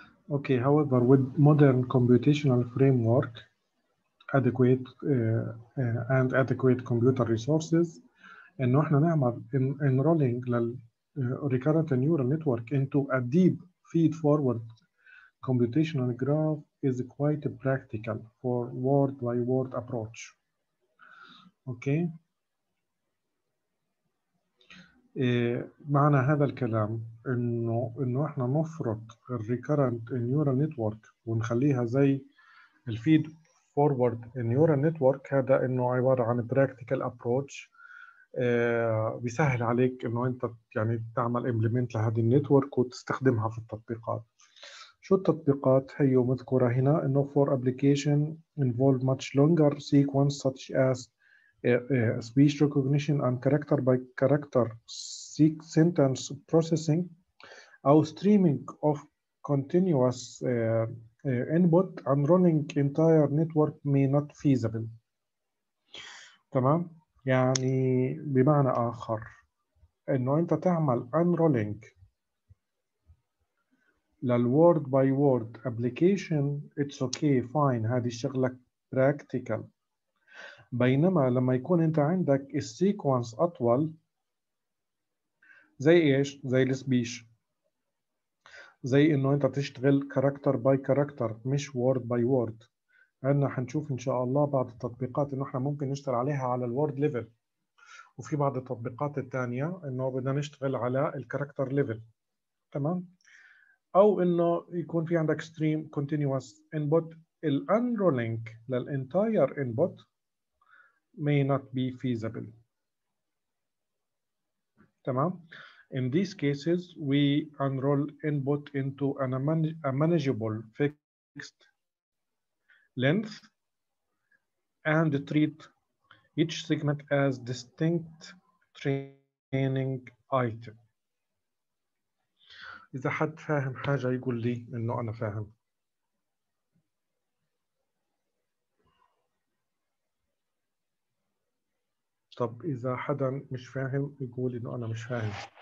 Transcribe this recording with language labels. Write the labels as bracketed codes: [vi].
[en] Okay, however, with modern computational framework adequate and adequate computer resources, [ar] إنه إحنا نعمل [en] enrolling لل recurrent neural network into a deep feed-forward computational graph is quite practical for word-by-word approach. Okay. [ar] معنى هذا الكلام انه احنا نفرط الريكرنت نيورال نتورك ونخليها زي الفيد فورورد نيورال نتورك. هذا انه عباره عن براكتيكال ابروتش بيسهل عليك انه انت يعني تعمل امبلمنت لهذه النتورك وتستخدمها في التطبيقات. شو التطبيقات هي مذكوره هنا؟ [en] انه فور ابلكيشن انفولف ماتش لونجر سيكونس ساتش اس speech recognition and character by character sentence processing or streaming of continuous input and running entire network may not feasible. [ar] تمام؟ يعني بمعنى آخر انه انت تعمل unrolling لل [en] word by word application it's okay fine [ar] هذه الشغلة practical. بينما لما يكون انت عندك السيكونس اطول زي ايش؟ زي السبيش، زي انه انت تشتغل كاركتر باي كاركتر مش وورد باي وورد. عندنا حنشوف ان شاء الله بعض التطبيقات انه احنا ممكن نشتغل عليها على الوورد ليفل، وفي بعض التطبيقات التانية انه بدنا نشتغل على الكاركتر ليفل تمام. او انه يكون في عندك ستريم كونتينوس انبوت، الانرولينج للانتاير انبوت [en] may not be feasible. [ar] تمام. [en] In these cases we unroll input into a manageable fixed length and treat each segment as distinct training item. [ar] إذا حد فاهم حاجة يقول لي إنه أنا فاهم. طب إذا حدا مش فاهم يقول إنه أنا مش فاهم.